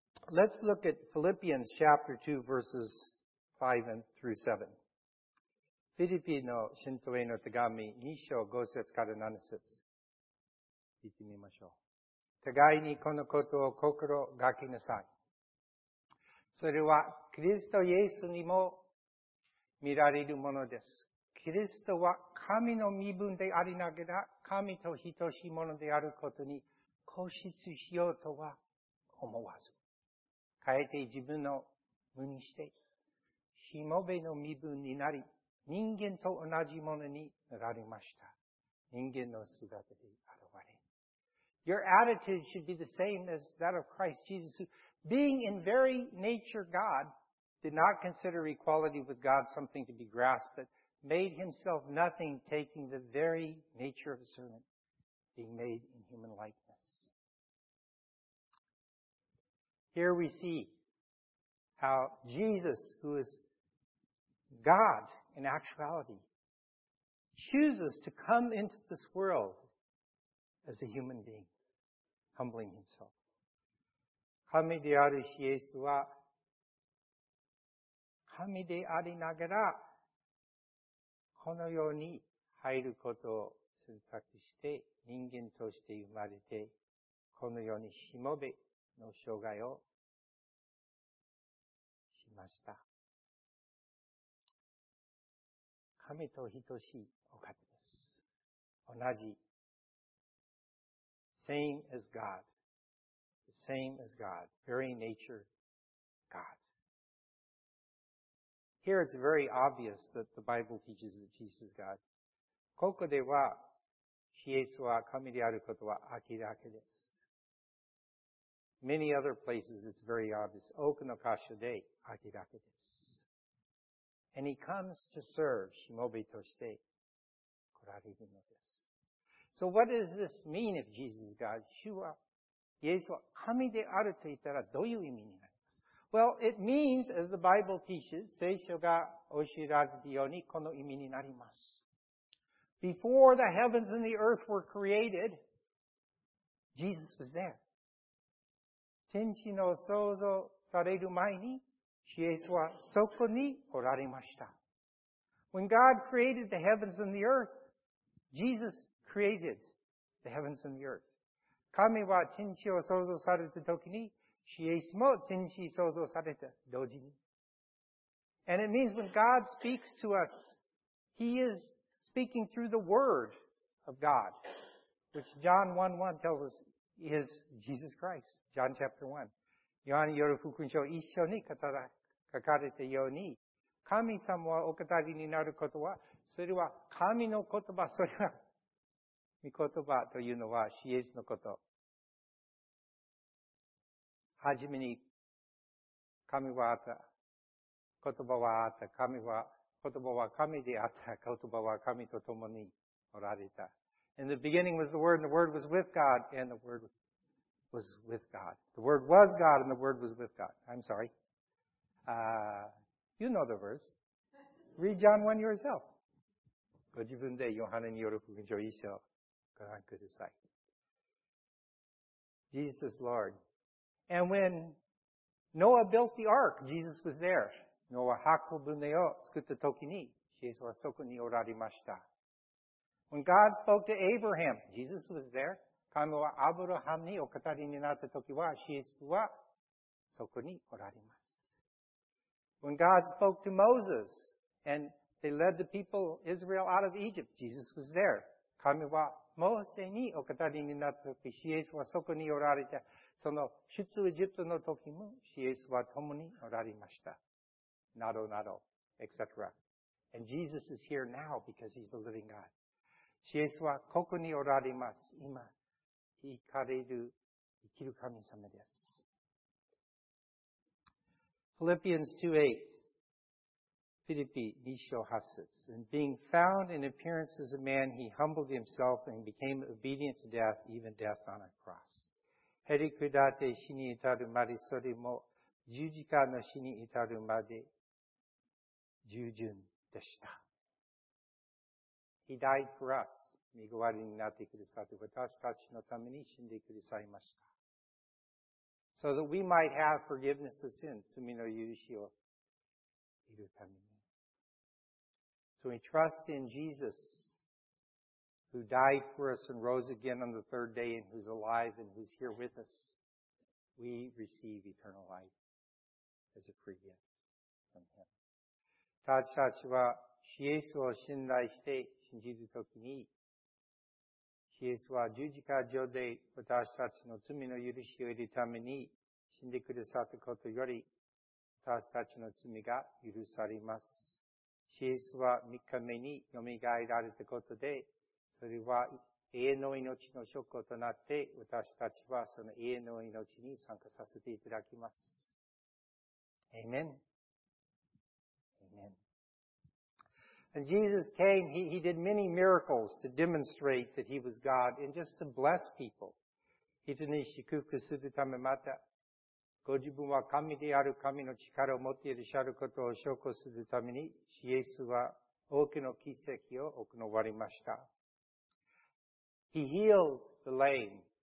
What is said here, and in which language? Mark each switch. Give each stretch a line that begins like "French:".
English: Let's look at Philippians chapter 2 verses 5 and through 7.
Japanese: フィリピの信徒への手紙2章5節から7節。行ってみましょう。互いにこのことを心がけなさい。それはキリストイエスにも見られるものです。キリストは神の身分でありながら神と等しいものであることに固執しようとは思わず。かえって自分の身にして、しもべの身分になり、人間と同じものになられました。人間の姿で現れ。
English: Your attitude should be the same as that of Christ Jesus, being in very nature God,did not consider equality with God something to be grasped, but made himself nothing, taking the very nature of a servant, being made in human likeness. Here we see how Jesus, who is God in actuality, chooses to come into this world as a human being, humbling himself.
Japanese: 神であるイエスは神でありながらこの世に入ることを選択して人間として生まれてこの世にしもべの生涯をしました。神と等しいお方です。同じ
English: Same as God Same as God Very nature God Here it's very obvious that the Bible teaches that Jesus is God.
Japanese: ここではイエスは神であることは明らかです。
English: Many other places it's very obvious.
Japanese: 多くの箇所で明らかです。
English: And he comes to serve
Japanese: しもべとして来られるのです。
English: So what does this mean if Jesus is God?
Japanese: 主は、イエスは神であると言ったらどういう意味になります ?
English: Well, it means, as the Bible teaches,
Japanese: 聖書が教えられるようにこの意味になります。
English: Before the heavens and the earth were created, Jesus was there.
Japanese: 天地の創造される前に、イエスはそこにおられました。
English: When God created the heavens and the earth, Jesus created the heavens and the earth.
Japanese: 神は天地を創造された時に、イエスも天地創造された同時に。
English: And it means when God speaks to us, He is speaking through the Word of God, which John 1:1 tells us,is Jesus Christ, John chapter 1.
Japanese: ヨハネによる福音書一緒に書かれたように、神様はお語りになることは、それは神の言葉、それは御言葉というのは、イエスのこと。はじめに、神はあった、言葉はあった、神は、言葉は神であった、言葉は神と共におられた。
English: In the beginning was the Word, and the Word was with God, and the Word was with God. The Word was God, and the Word was with God. I'm sorry. You know the verse. Read John 1 yourself.
Japanese: ご自分でヨハネによる福音書一章ご覧ください。
English: Jesus is Lord. And when Noah built the ark, Jesus was there.
Japanese: Noah 箱舟を作った時に、イエスはそこにおられました。
English: When God spoke to Abraham, Jesus was there.
Japanese: 神はアブラハムにお語りになった時は、イエスはそこにおられます。
English: When God spoke to Moses, and they led the people Israel out of Egypt, Jesus was there.
Japanese: 神はモーセにお語りになった時、イエスはそこにおられた。その出エジプトの時も、イエスは共におられました。などなど、etc.
English: And Jesus is here now because he's the living God.
Japanese: イエスはここにおられます。今、生かれる、生きる神様です。
English: Philippians 2:8
Japanese: フィリピ2章8節
English: And being found in appearance as a man, he humbled himself and became obedient to death, even death on a cross.
Japanese: へりくだって死に至るまで、それも十字架の死に至るまで従順でした。
English: He died for us.
Japanese: 身代わりになってくださって、私たちのために死んでくださいました。
English: So that we might have forgiveness of sins.
Japanese: 罪の許しを得るために。
English: So we trust in Jesus, who died for us and rose again on the third day, and who's alive and who's here with us. We receive eternal life as a free gift from Him.
Japanese: 私たちはイエスを信頼して信じるときに、イエスは十字架上で私たちの罪の許しを得るために死んでくださったことより、私たちの罪が許されます。イエスは三日目によみがえられたことで、それは永遠の命の証拠となって、私たちはその永遠の命に参加させていただきます。
English: Amen. Amen. And Jesus came, he did many miracles to demonstrate that he was God and just to bless people.
Japanese: 人に祝福するためまた、ご自分は神である神の力を持っていらっしゃることを証拠するために、イエスは多くの奇跡を行われました。
English: He healed the lame.